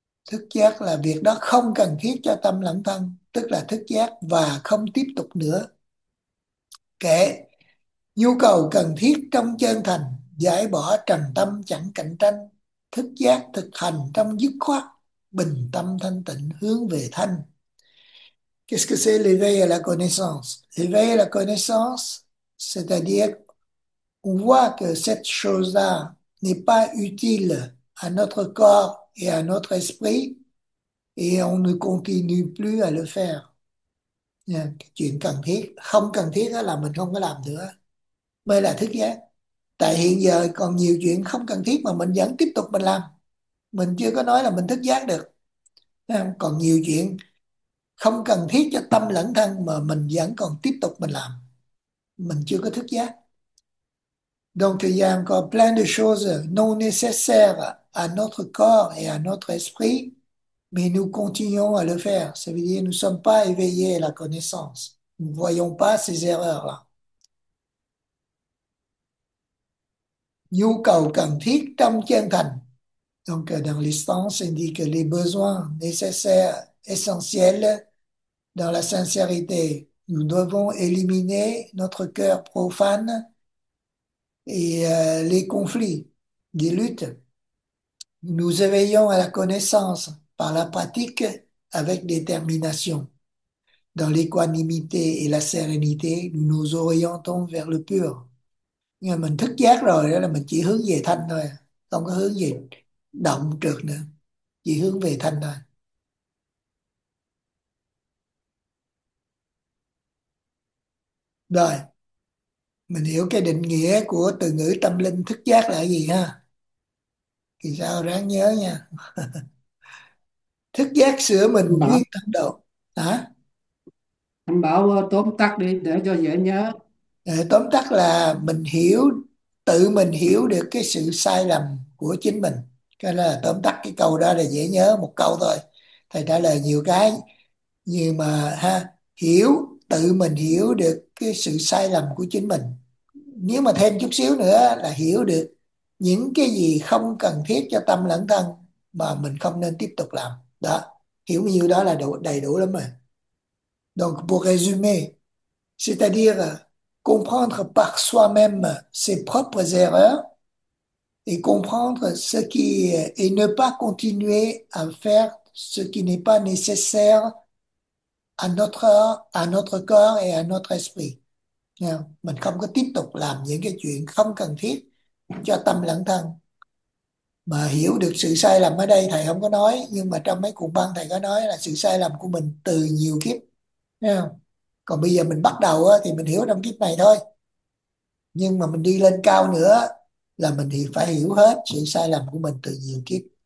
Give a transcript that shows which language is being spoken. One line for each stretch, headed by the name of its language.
Vietnamese: Thức giác là việc đó không cần thiết cho tâm lẫn thân, tức là thức giác và không tiếp tục nữa. Kể, nhu cầu cần thiết trong chân thành, giải bỏ trần tâm chẳng cạnh tranh, thức giác thực hành trong dứt khoát, bình tâm thanh tịnh hướng về thanh.
French: Qu'est-ce que c'est l'éveil à la connaissance? L'éveil à la connaissance, c'est-à-dire on voit que cette chose-là n'est pas utile à notre corps et à notre esprit, et on ne continue plus à le faire. Yeah.
Vietnamese: Chuyện cần thiết, không cần thiết đó là mình không có làm nữa, mới là thức giác. Tại hiện giờ còn nhiều chuyện không cần thiết mà mình vẫn tiếp tục mình làm. Mình chưa có nói là mình thức giác được. Yeah. Còn nhiều chuyện không cần thiết cho tâm lẫn thân mà mình vẫn còn tiếp tục mình làm. Mình chưa có thức giác.
French: Donc, il y a encore plein de choses non nécessaires à notre corps et à notre esprit, mais nous continuons à le faire. Ça veut dire que nous ne sommes pas éveillés à la connaissance. Nous ne voyons pas ces erreurs-là.
Vietnamese: Nhu cầu cần thiết trong chân thành.
French: Donc, dans l'instance, on dit que les besoins nécessaires, essentiels, dans la sincérité, nous devons éliminer notre cœur profane. Et les conflits, les luttes, nous éveillons à la connaissance par la pratique avec détermination. Dans l'équanimité et la sérénité, nous nous orientons vers le pur.
Vietnamese: Nhưng mà mình thức giác rồi đó là mình chỉ hướng về thanh thôi, không có hướng gì động trượt nữa, chỉ hướng về thanh thôi. Rồi, mình hiểu cái định nghĩa của từ ngữ tâm linh thức giác là gì ha? Thì sao ráng nhớ nha. Thức giác sửa mình Anh duyên bảo, tâm độ hả? tóm tắt đi để cho dễ nhớ. Để tóm tắt là mình hiểu, tự mình hiểu được cái sự sai lầm của chính mình. Cái là tóm tắt cái câu đó là dễ nhớ một câu thôi, thầy trả lời nhiều cái nhưng mà ha, hiểu, tự mình hiểu được cái sự sai lầm của chính mình. Nếu mà thêm chút xíu nữa là hiểu được những cái gì không cần thiết cho tâm lẫn thân mà mình không nên tiếp tục làm. Đó, hiểu nhiêu đó là đủ, đầy đủ lắm rồi.
French: Donc pour résumer, c'est-à-dire comprendre par soi-même ses propres erreurs et comprendre ce qui est, et ne pas continuer à faire ce qui n'est pas nécessaire à notre corps et à notre esprit.
Vietnamese: Mình không có tiếp tục làm những cái chuyện không cần thiết cho tâm lẫn thân. Mà hiểu được sự sai lầm ở đây thầy không có nói, nhưng mà trong mấy cuộc băng thầy có nói là sự sai lầm của mình từ nhiều kiếp. Còn bây giờ mình bắt đầu á, thì mình hiểu trong kiếp này thôi. Nhưng mà mình đi lên cao nữa là mình thì phải hiểu hết sự sai lầm của mình từ nhiều kiếp.